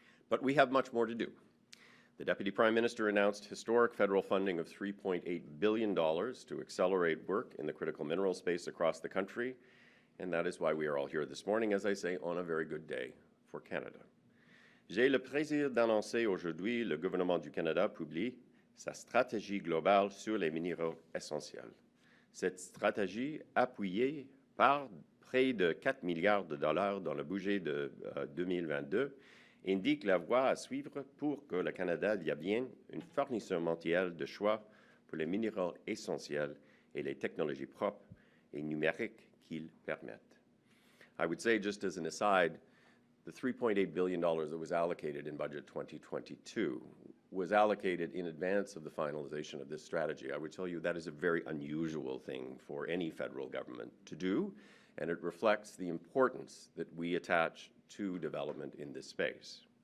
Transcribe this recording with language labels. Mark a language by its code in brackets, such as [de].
[en] But we have much more to do. The Deputy Prime Minister announced historic federal funding of $3.8 billion to accelerate work in the critical mineral space across the country, and that is why we are all here this morning, as I say, on a very good day for Canada. [fr] J'ai le plaisir d'annoncer aujourd'hui le gouvernement du Canada publie sa stratégie globale sur les minéraux essentiels. Cette stratégie, appuyée par près de 4 milliards de dollars dans le budget de 2022, indique la voie à suivre pour que le Canada devienne un fournisseur mondial de choix pour les minéraux essentiels et les technologies propres et numériques qu'ils permettent. [en] I would say, just as an aside, the $3.8 billion that was allocated in budget 2022 was allocated in advance of the finalization of this strategy. I would tell you that is a very unusual thing for any federal government to do, and it reflects the importance that we attach to development in this space.